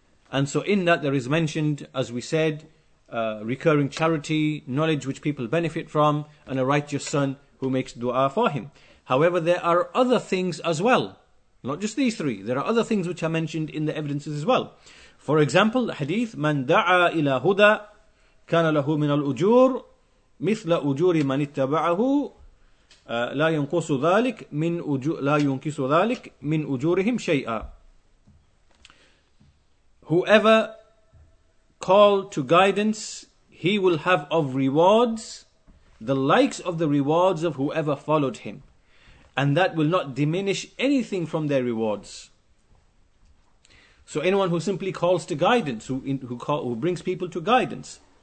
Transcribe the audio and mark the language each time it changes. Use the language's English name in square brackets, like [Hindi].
[English] And so in that there is mentioned, as we said, recurring charity, knowledge which people benefit from, and a righteous son who makes dua for him. However, there are other things as well. Not just these three. There are other things which are mentioned in the evidences as well. For example, the hadith, [Arabic] مَنْ دَعَى إِلَى هُدَى كان له من الأجور مثل أجور من اتبعه لا ينقص ذلك من لا ينقص ذلك من أجورهم شيئا. [English] Whoever called to guidance, he will have of rewards the likes of the rewards of whoever followed him, and that will not diminish anything from their rewards. So anyone who simply calls to guidance, who brings people to guidance.